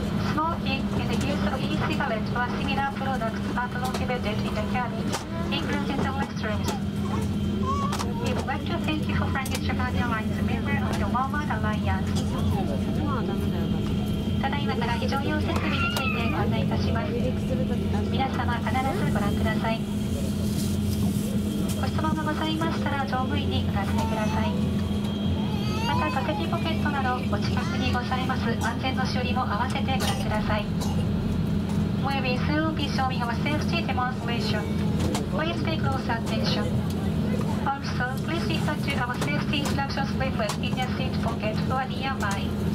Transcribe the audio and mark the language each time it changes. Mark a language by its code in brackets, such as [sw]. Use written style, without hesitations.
[en] Smoking and the use of e-cigarettes or similar products are prohibited in the cabin, including the restrooms. We would like to thank you for flying with Japan Airlines, a member of the Walmart Alliance. [ja] ただいまから非常用設備についてご案内いたします。皆様必ずご覧ください。ご質問がございましたら乗務員にお尋ねください。また座席ポケットなどお近くにございます安全の修理も合わせてご覧ください。 [en] We will soon be showing our safety demonstration. Please pay close attention. Also, please refer to our safety instructions leaflet in your seat pocket or nearby.